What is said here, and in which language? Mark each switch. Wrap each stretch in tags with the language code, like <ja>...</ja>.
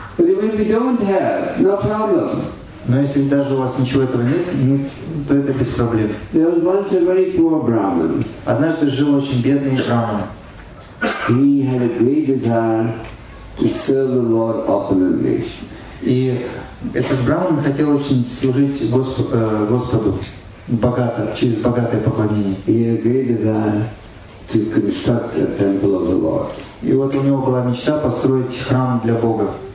<en>But even if you don't have, no problem.</en> <ru>Но если даже у вас ничего этого нет, нет, то это без проблем.</ru> <en>There was once a very poor Brahmin.</en> <ru>Однажды жил очень бедный Брахман.</ru> <en>He had a great desire to serve the Lord openly.</en> <ru>И этот Брахман хотел очень служить Господу. Богато, через богатое поклонение. И вот у него была мечта построить храм для Бога.</ru>